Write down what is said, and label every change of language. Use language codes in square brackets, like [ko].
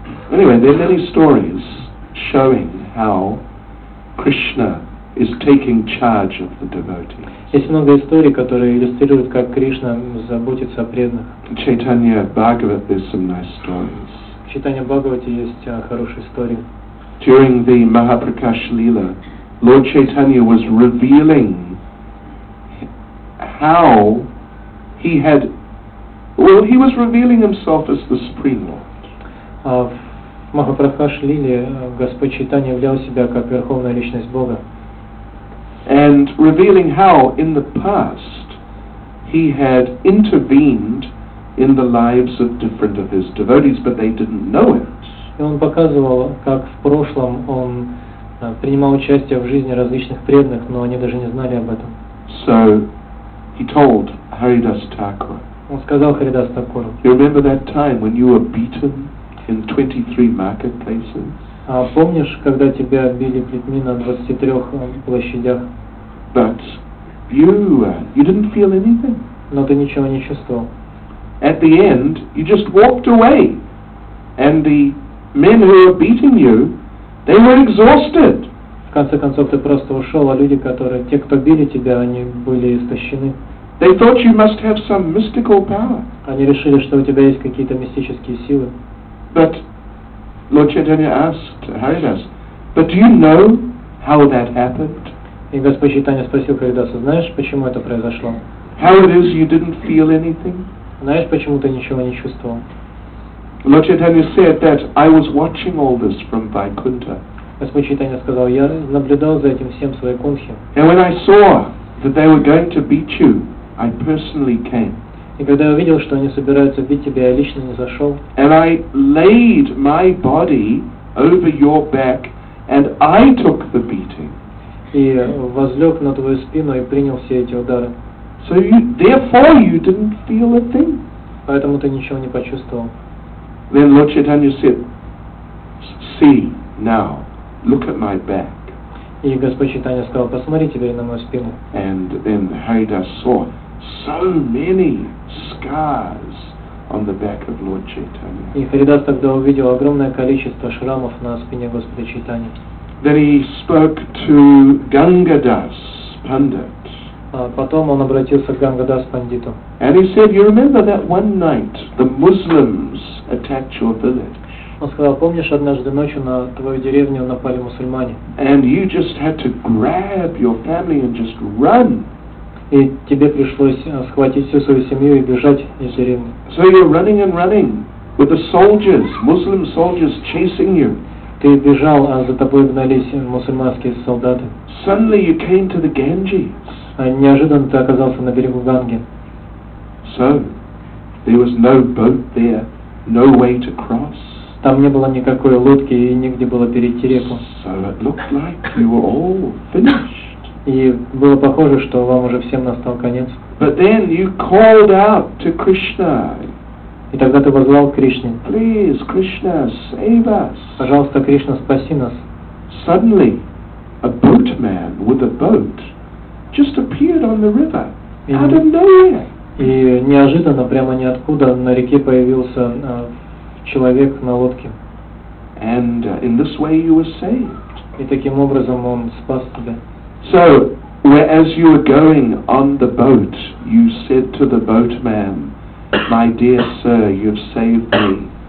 [en] Anyway, there are many stories showing how Krishna is taking charge of the devotees. [ru] Есть много историй, которые иллюстрируют, как Кришна заботится о преданных. [en] Chaitanya Bhagavat, there's some nice stories. [ru] В Чайтанья Бхагавате есть хорошие истории. [en] During the Mahaprakash Lila, Lord Chaitanya was revealing how he had, well, he was revealing himself as the Supreme Lord. [ru] В Махапракаш Лиле Господь Чайтанья являл себя как Верховная Личность Бога. [en] And revealing how in the past he had intervened in the lives of different of his devotees, but they didn't know it. [ru] И он показывал, как в прошлом он принимал участие в жизни различных преданных, но они даже не знали об этом. [en] So he told Haridas Thakur. [ru] Он сказал Харидас Такуру. [en] You remember that time when you were beaten in 23 marketplaces? [ru] А помнишь, когда тебя били плетьми на 23 площадях? [en] But you didn't feel anything. [ru] Но ты ничего не чувствовал. [en] At the end, you just walked away, and the men who were beating you, they were exhausted. [ru] В конце концов, ты просто ушел, а люди, которые, те, кто били тебя, они были истощены. [en] They thought you must have some mystical power. [ru] Они решили, что у тебя есть какие-то мистические силы. [en] But Lord Chaitanya asked Haridas, but do you know how that happened? [ru] И Господь Чайтанья спросил Харидаса, знаешь, почему это произошло? [en] How it is you didn't feel anything? [ru] Знаешь, почему ты ничего не чувствовал? [en] Lord Chaitanya said that I was watching all this from Vaikuntha. [ru] Господь Чайтанья сказал, я наблюдал за этим всем в своей кунхе. [en] And when I saw that they were going to beat you, I personally came. [ru] И когда я увидел, что они собираются бить тебя, я лично не зашел. [en] And I laid my body over your back, and I took the beating. [ru] И возлег на твою спину и принял все эти удары. [en] So you, therefore you didn't feel a thing. [ru] Поэтому ты ничего не почувствовал. [en] Then Lord Chaitanya said, see now, look at my back. [ru] И Господь Чайтанья сказал, посмотри теперь на мою спину. [en] And then Haridas saw so many scars on the back of Lord Chaitanya. [ru] И Харидас тогда увидел огромное количество шрамов на спине Господа Чайтаньи. [en] Then he spoke to Gangadas Pandit. [ru] Потом он обратился к Гангадас Пандиту. [en] And he said, you remember that one night the Muslims attacked your village? [ru] Он сказал, помнишь, однажды ночью на твою деревню напали мусульмане? [en] And you just had to grab your family and just run. [ru] И тебе пришлось схватить всю свою семью и бежать из деревни. [en] So you're running and running with the soldiers, Muslim soldiers chasing you. [ru] Ты бежал, а за тобой гнались мусульманские солдаты. [en] Suddenly you came to the Ganges. [ru] А неожиданно ты оказался на берегу Ганги. [en] So there was no boat there, no way to cross. [ru] Там не было никакой лодки и негде было перейти реку. [en] So it looked like you were all finished. [ru] И было похоже, что вам уже всем настал конец. [en] But then you called out to Krishna. [ru] И тогда ты воззвал к Кришне. [en] Please, Krishna, save us. [ru] Пожалуйста, Кришна, спаси нас. [en] Suddenly, a boatman with a boat just appeared on the river out of nowhere. [ru] И неожиданно, прямо ниоткуда, на реке появился человек на лодке. [en] And in this way you were saved. [ru] И таким образом он спас тебя. [en] So, whereas you were going on the boat, you said to the boatman, my dear sir, you've saved me.